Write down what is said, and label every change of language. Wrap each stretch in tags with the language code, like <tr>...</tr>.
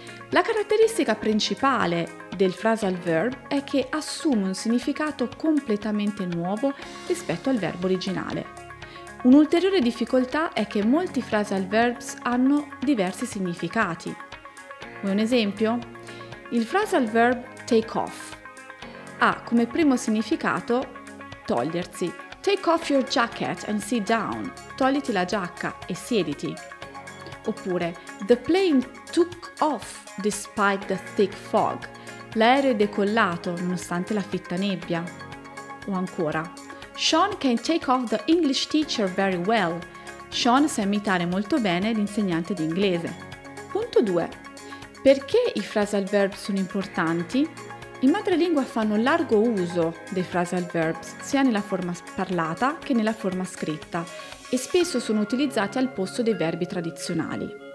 <it>La caratteristica principale del phrasal verb è che assume un significato completamente nuovo rispetto al verbo originale. Un'ulteriore difficoltà è che molti phrasal verbs hanno diversi significati. Vuoi un esempio? Il phrasal verb take off ha come primo significato togliersi.</it> <en>Take off your jacket and sit down.</en> <it>Togliti la giacca e siediti. Oppure,</it> <en>the plane took off despite the thick fog.</en> <it>L'aereo è decollato nonostante la fitta nebbia. O ancora,</it> <en>Sean can take off the English teacher very well.</en> <it>Sean sa imitare molto bene l'insegnante di inglese. Punto 2. Perché i phrasal verbs sono importanti? In madrelingua fanno largo uso dei phrasal verbs, sia nella forma parlata che nella forma scritta, e spesso sono utilizzati al posto dei verbi tradizionali.</it>